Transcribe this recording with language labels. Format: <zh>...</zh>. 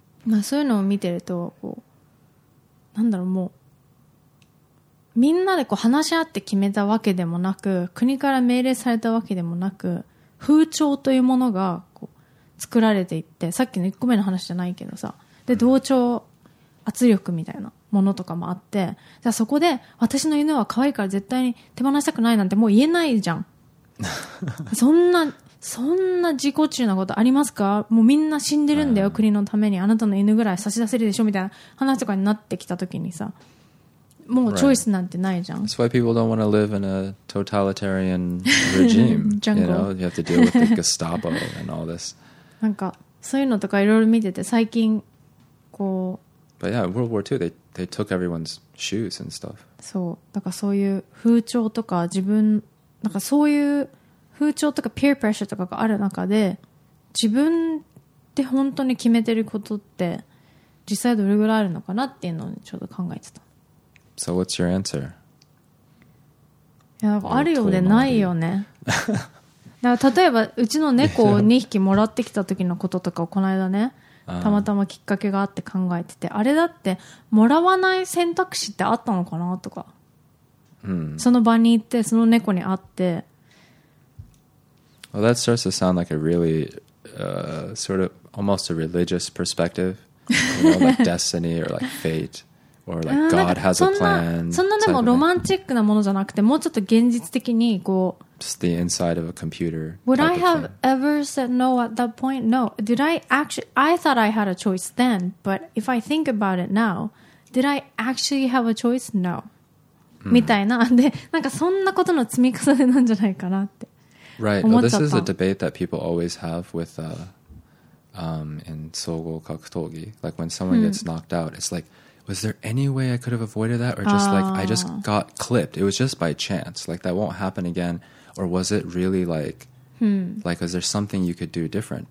<ja>まあ、そういうのを見てると、こうなんだろう、もうみんなでこう話し合って決めたわけでもなく、国から命令されたわけでもなく、風潮というものがこう作られていって、さっきの1個目の話じゃないけどさ、で同調圧力みたいなものとかもあって、じゃあそこで私の犬は可愛いから絶対に手放したくないなんてもう言えないじゃん。そんな自己中なことありますか。もうみんな死んでるんだよ、国のためにあなたの犬ぐらい差し出せるでしょみたいな話とかになってきた時にさ、もうチョイスなんてないじゃん。</ja> <en>That's why people don't want to live in a totalitarian regime. Jungle. You know, you have to deal with the Gestapo and all this.</en> <ja>なんかそういうのとかいろいろ見てて、最近こう、</ja> <en>But yeah, World War II, they took everyone's shoes and stuff.</en> <ja>そう、だからそういう風潮とか、自分なんかそういう風潮とか peer pressure とかがある中で、自分って本当に決めてることって実際どれぐらいあるのかなっていうのをちょうど考えてた。</ja> <en>So what's your answer?</en> <ja>いや、あるようでないよね。だから例えばうちの猫を2匹もらってきた時のこととかを、この間ね、たまたまきっかけがあって考えてて、あれだってもらわない選択肢ってあったのかなとか、その場に行ってその猫に会って、</ja> <en>Well, that starts to sound like a really, sort of almost a religious perspective, you know, like destiny or like fate. Or like God has a plan.</en> <ja>そんなでもロマンチックなものじゃなくて、もうちょっと現実的にこう。</ja> <en>Just the inside of a computer. Would I have ever said no at that point? No. Did I actually? I thought I had a choice then, but if I think about it now, did I actually have a choice? No.</en> <ja>みたいな、で、なんかそんなことの積み重ねなんじゃないかなって。</ja> <en>Right. Well, this is a debate that people always have with, in 総合格闘技. Like when someone gets knocked out, it's like. Was there any way I could have avoided that? Or just like, I just got clipped. It was just by chance. Like, that won't happen again. Or was it really like,、like, is there something you could do different?</en>